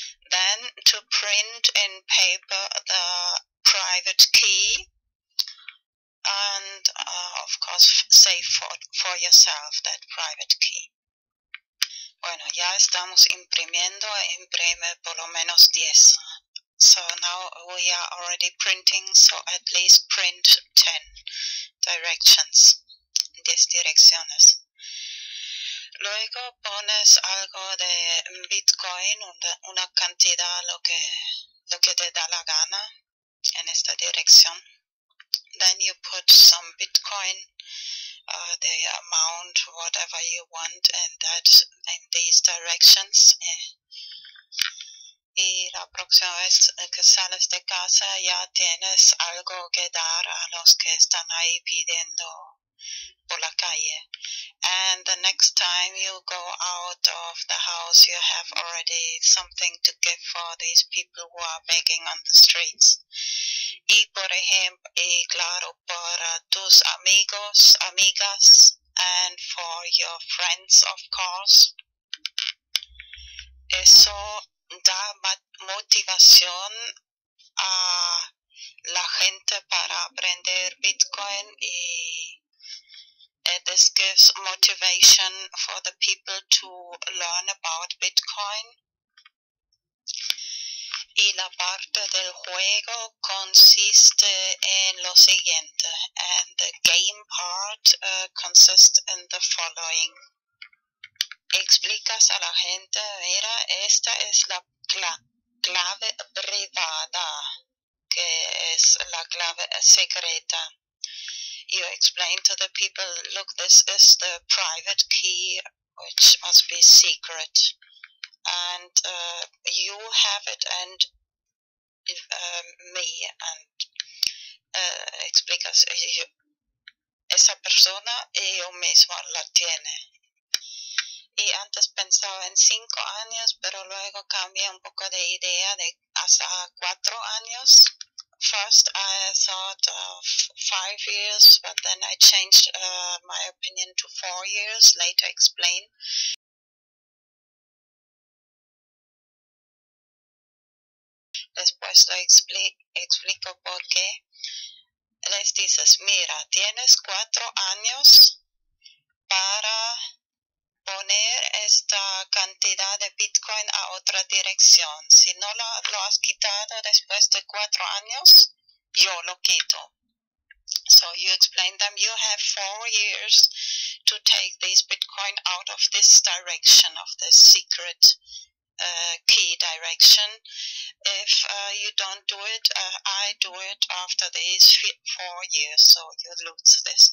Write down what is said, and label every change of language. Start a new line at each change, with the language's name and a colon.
English: Then to print in paper the private key and of course save for yourself that private key.
Spanish: Bueno, ya estamos imprimiendo, imprime por lo menos 10.
English: So now we are already printing, so at least print 10 directions,
Spanish: 10 direcciones. Luego pones algo de Bitcoin en una cantidad lo que te da la gana en esta dirección.
English: Then you put some Bitcoin, the amount, whatever you want, and that in these directions.
Spanish: Y la próxima vez que sales de casa ya tienes algo que dar a los que están ahí pidiendo por la calle.
English: And the next time you go out of the house, you have already something to give for these people who are begging on the streets.
Spanish: Y por ejemplo, y claro, para tus amigos, amigas,
English: and for your friends, of course.
Spanish: Eso da motivación a la gente para aprender Bitcoin y
English: this gives motivation for the people to learn about Bitcoin.
Spanish: Y la parte del juego consiste en lo siguiente.
English: And the game part consists in the following.
Spanish: Explicas a la gente, mira, esta es la clave privada, que es la clave secreta.
English: You explain to the people, look, this is the private key, which must be secret. And you have it, and me, and
Spanish: explicas, esa persona y yo mismo la tiene. Y antes pensaba en 5 años, pero luego cambié un poco de idea de hasta 4 años.
English: First, I thought of 5 years, but then I changed my opinion to 4 years, later explained.
Spanish: Después lo explico por qué. Les dices, mira, tienes 4 años para poner esta cantidad de Bitcoin a otra dirección. Si no lo has quitado después de 4 años, yo lo quito.
English: So you explain them, you have 4 years to take this Bitcoin out of this direction, of this secret key direction. If you don't do it, I do it after these 4 years, so you lose this.